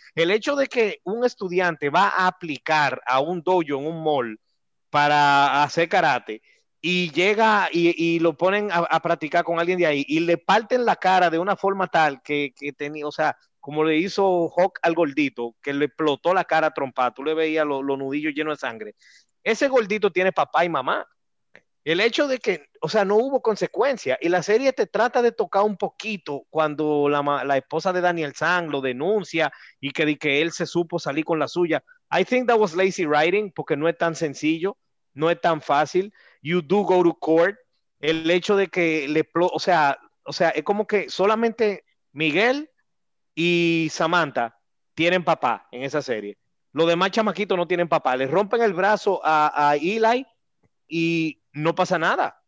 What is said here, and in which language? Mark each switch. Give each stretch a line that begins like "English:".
Spanish: El hecho de que un estudiante va a aplicar a un dojo en un mall para hacer karate, y llega y lo ponen a practicar con alguien de ahí, y le parten la cara de una forma tal que tenía, o sea, como le hizo Hawk al gordito, que le explotó la cara a trompa, tú le veías los nudillos llenos de sangre. Ese gordito tiene papá y mamá. El hecho de que, o sea, no hubo consecuencia, y la serie te trata de tocar un poquito cuando la esposa de Daniel San lo denuncia y que él se supo salir con la suya. I think that was lazy writing, porque no es tan sencillo, no es tan fácil.
English: You do go to court.
Spanish: El hecho de que le, o sea, es como que solamente Miguel y Samantha tienen papá en esa serie. Los demás chamaquitos no tienen papá. Le rompen el brazo a Eli y no pasa nada.